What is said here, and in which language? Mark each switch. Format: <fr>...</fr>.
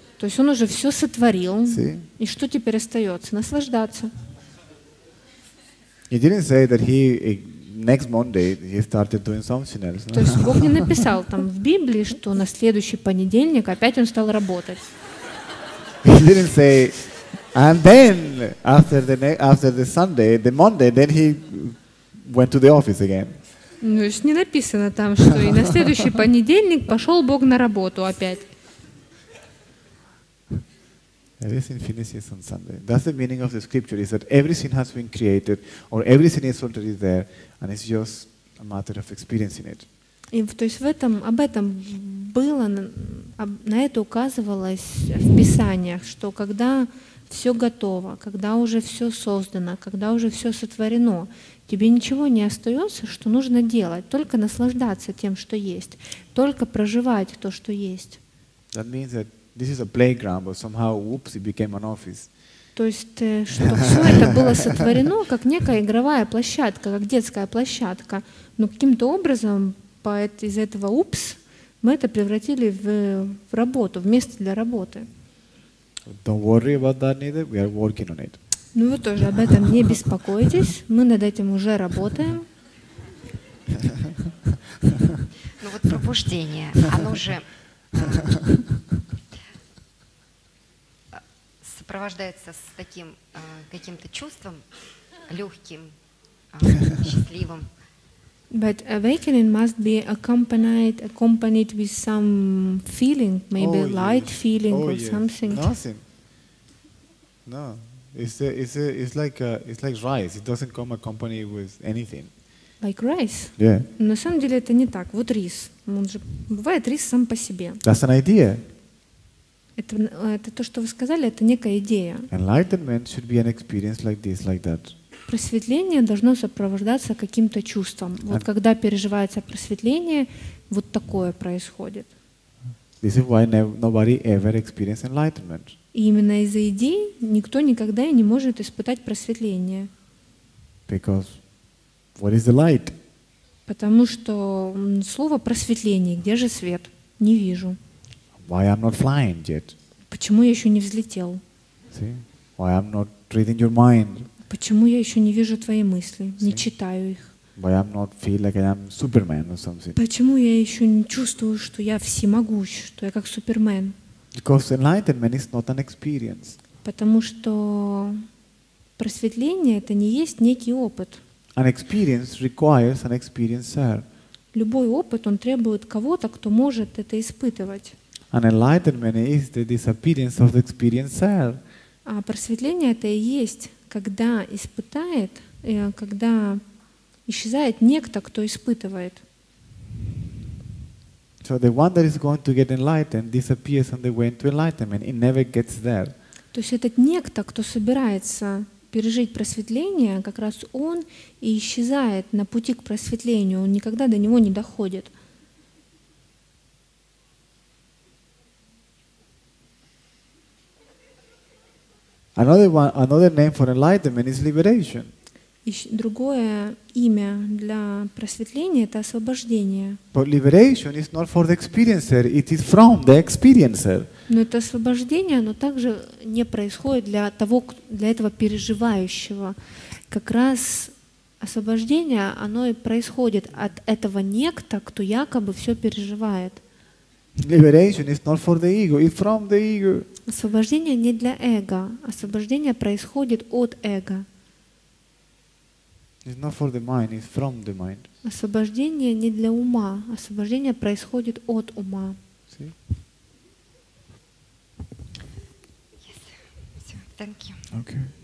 <ru>То есть он уже все сотворил.</ru> <en>See?</en> <ru>И что теперь остается? Наслаждаться.</ru> <en>He didn't say that he... Next Monday he started doing something else.</en> <ru>То есть Бог не написал там в Библии, что на следующий понедельник опять он стал работать.</ru> <en>He didn't say, and then after the Sunday, the Monday, then he went to the office again.</en> <ru>Ну, то есть не написано там, что и на следующий понедельник пошел Бог на работу опять.</ru> <en>Everything finishes on Sunday. That's the meaning of the scripture, is that everything has been created or everything is already there. And it's just a matter of experiencing it.</en> <ru>И то есть в этом, об этом было, на это указывалось в Писаниях, что когда все готово, когда уже все создано, когда уже все сотворено, тебе ничего не остается, что нужно делать, только наслаждаться тем, что есть, только проживать то, что есть.</ru> <en>That means that this is a playground, but somehow, whoops, it became an office.</en> <ru>То есть, что все это было сотворено как некая игровая площадка, как детская площадка, но каким-то образом из этого «упс» мы это превратили в работу, в место для работы.</ru> <en>Don't worry about that neither. We are working on it.</en> <ru>Ну, вы тоже об этом не беспокойтесь. Мы над этим уже работаем. Ну вот пробуждение, оно же... сопровождается с таким каким-то чувством легким, счастливым.</ru> <en>But awakening must be accompanied with some feeling, maybe light feeling or something. Nothing. No, it's like rice. It doesn't come accompanied with anything. Like rice. Yeah.</en> <ru>На самом деле это не так. Вот рис. Он же бывает рис сам по себе.</ru> <en>That's an idea.</en> <ru>Это то, что вы сказали, это некая идея.</ru> <en>Enlightenment should be an experience like this, like that.</en> <ru>Просветление должно сопровождаться каким-то чувством. Вот когда переживается просветление, вот такое происходит.</ru> <en>This is why nobody ever experienced enlightenment.</en> <ru>И именно из-за идей никто никогда и не может испытать просветление. Because what is the light? Потому что слово просветление, где же свет? Не вижу.</ru> <en>Why I'm not flying yet?</en> <ru>Почему я еще не взлетел?</ru> <en>See? Why I'm not reading your mind?</en> <ru>Почему я еще не вижу твои мысли,</ru> <en>See?</en> <ru>Не читаю их?</ru> <en>Why I'm not feel like I'm Superman or something?</en> <ru>Почему я еще не чувствую, что я всемогущ, что я как Супермен?</ru> <en>Because enlightenment is not an experience.</en> <ru>Потому что просветление это не есть некий опыт.</ru> <en>An experience requires an experiencer.</en> <ru>Любой опыт он требует кого-то, кто может это испытывать.</ru> <en>An enlightenment is the disappearance of the experiencer.</en> <ru>А просветление это и есть, когда испытает, когда исчезает некто, кто испытывает.</ru> <en>So the one that is going to get enlightened disappears on the way to enlightenment. It never gets there.</en> <ru>То есть этот некто, кто собирается пережить просветление, как раз он и исчезает на пути к просветлению. Он никогда до него не доходит.</ru> <en>Another name for enlightenment is liberation.</en> <ru>Другое имя для просветления — это освобождение.</ru> <en>But liberation is not for the experiencer; it is from the experiencer.</en> <ru>Но это освобождение, оно также не происходит для того, для этого переживающего. Как раз освобождение, оно и происходит от этого некто, кто якобы все переживает.</ru> <en>Liberation is not for the ego; it's from the ego.</en> <ru>Освобождение не для эго. Освобождение происходит от эго.</ru> <en>It's not for the mind; it's from the mind.</en> <ru>Освобождение не для ума. Освобождение происходит от ума.</ru> <en>Yes. So, thank you. Okay.</en>